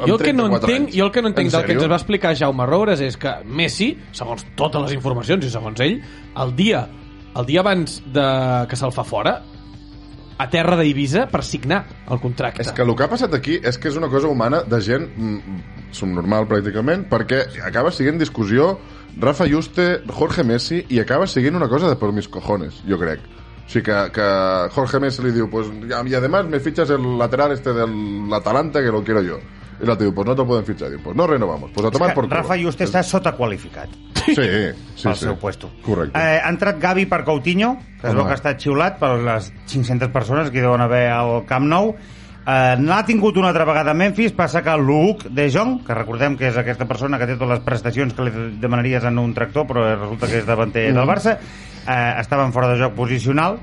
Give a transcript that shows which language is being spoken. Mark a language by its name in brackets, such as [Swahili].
[Catalan] Jo el que no entenc, del que ens va explicar Jaume Roures és que Messi, segons totes les informacions i segons ell, el dia abans de que se'l fa fora, a terra d'Eivissa per signar el contracte. És que el que ha passat aquí és que és una cosa humana de gent subnormal, pràcticament, perquè acaba siguent discussió Rafa Juste, Jorge Messi, i acaba siguent una cosa de [Spanish] por mis cojones, [Catalan] jo crec. O sigui, que Jorge Messi li diu, [Spanish] pues, i además me fichas el lateral este de l'Atalanta, que lo quiero yo. [Catalan] I l'altre diu, [Spanish] pues no te lo pueden fichar. Diu, pues no renovamos. Pues a tomar por culo. [Catalan] Rafa Juste està sotaqualificat. Sí, sí. Pel seu puesto. Correcte. Ha entrat Gavi per Coutinho, que es veu que ha estat xiulat per les 500 persones que hi deuen haver al Camp Nou. N'ha tingut una altra vegada a Memphis, passa que Luke de Jong, que recordem que és aquesta persona que té totes les prestacions que li demanaries en un tractor, però resulta que és davanter del Barça, estaven fora de joc posicional.